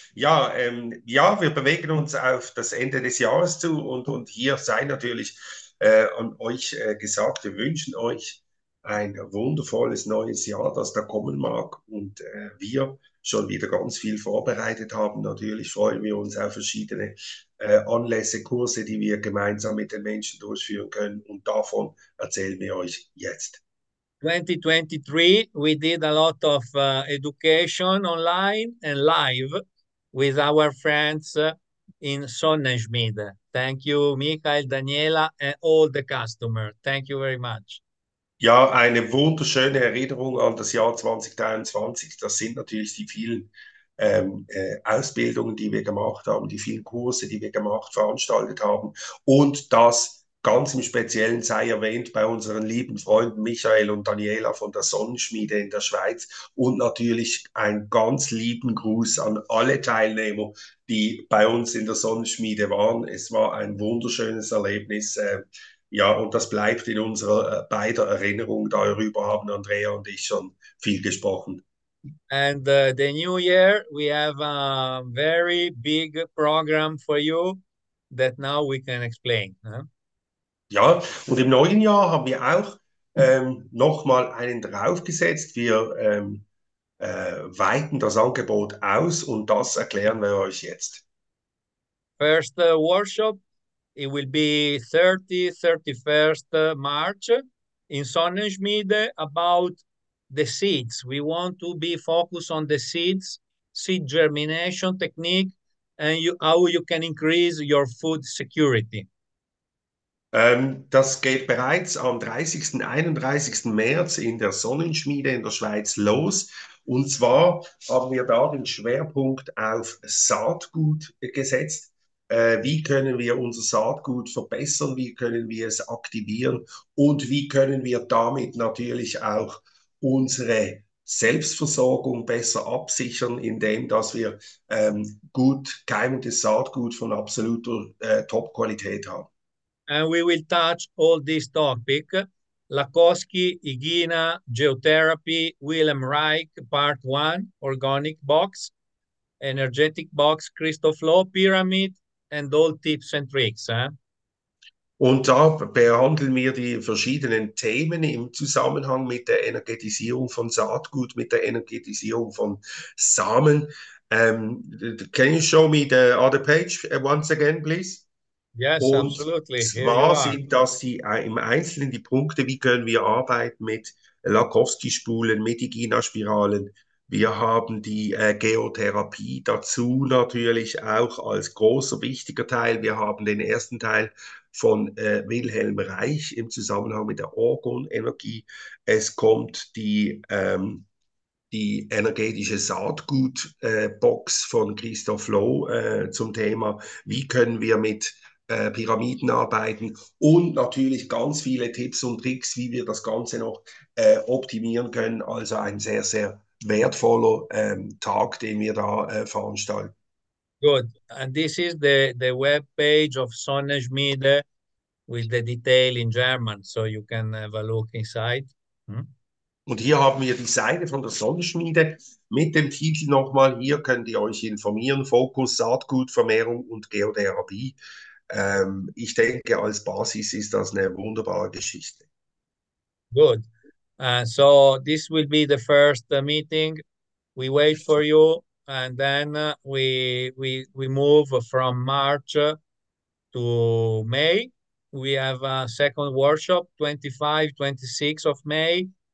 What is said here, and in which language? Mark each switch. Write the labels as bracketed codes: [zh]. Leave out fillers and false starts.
[de] Ja, ja, wir bewegen uns auf das Ende des Jahres zu und hier sei natürlich an euch gesagt, wir wünschen euch ein wundervolles neues Jahr, das da kommen mag und wir schon wieder ganz viel vorbereitet haben. Natürlich freuen wir uns auf verschiedene Anlässe, Kurse, die wir gemeinsam mit den Menschen durchführen können und davon erzählen wir euch jetzt. [en] 2023, we did a lot of education online and live with our friends in Sonnenschmiede. Thank you, Michael, Daniela, and all the customers. Thank you very much. [de] Ja, eine wunderschöne Erinnerung an das Jahr 2023. Das sind natürlich die vielen Ausbildungen, die wir gemacht haben, die vielen Kurse, die wir gemacht, veranstaltet haben. Und das ganz im Speziellen sei erwähnt bei unseren lieben Freunden Michael und Daniela von der Sonnenschmiede in der Schweiz. Und natürlich einen ganz lieben Gruß an alle Teilnehmer, die bei uns in der Sonnenschmiede waren. Es war ein wunderschönes Erlebnis. Ja, und das bleibt in unserer beider Erinnerung. Darüber haben Andrea und ich schon viel gesprochen. [en] And the new year, we have a very big program for you that now we can explain. [de] Ja, und im neuen Jahr haben wir auch nochmal einen draufgesetzt. Wir weiten das Angebot aus und das erklären wir euch jetzt. [en] First workshop, it will be 31st March in Sonnenschmiede about the seeds. We want to be focused on the seeds, seed germination technique, and how you can increase your food security. [de] Das geht bereits am 30. 31. März in der Sonnenschmiede in der Schweiz los. Und zwar haben wir da den Schwerpunkt auf Saatgut gesetzt. Wie können wir unser Saatgut verbessern? Wie können wir es aktivieren? Und wie können wir damit natürlich auch unsere Selbstversorgung besser absichern, indem dass wir gut keimendes Saatgut von absoluter Top-Qualität haben? [en] And we will touch all these topics: Lakoski, Igina, Geotherapy, Wilhelm Reich, Part One, Organic Box, Energetic Box, Crystal Flow Pyramid, and all tips and tricks. [de] Und da behandeln wir die verschiedenen Themen im Zusammenhang mit der Energetisierung von Saatgut, mit der Energetisierung von Samen. [en] Can you show me the other page once again, please? Yes, [de] Und [en] absolutely. Here you [de] zwar [en] are. [de] sind das im Einzelnen die Punkte, wie können wir arbeiten mit Lakowski-Spulen, mit Igina-Spiralen. Wir haben die Geotherapie dazu natürlich auch als großer, wichtiger Teil. Wir haben den ersten Teil von Wilhelm Reich im Zusammenhang mit der Orgonenergie. Es kommt die energetische Saatgutbox von Christoph Loh zum Thema, wie können wir mit Pyramiden arbeiten und natürlich ganz viele Tipps und Tricks, wie wir das Ganze noch optimieren können. Also ein sehr, sehr wertvoller Tag, den wir da veranstalten. [en] Good. And this is the web page of Sonnenschmiede with the detail in German, so you can have a look inside. [de] Und hier haben wir die Seite von der Sonnenschmiede mit dem Titel nochmal. Hier könnt ihr euch informieren. Fokus Saatgut, Vermehrung und Geotherapie. Ich denke, als Basis ist das eine wunderbare Geschichte. [en] Good. So this will be the first meeting. We wait for you. And then we move from March to May. We have a second workshop, 25, 26 of May.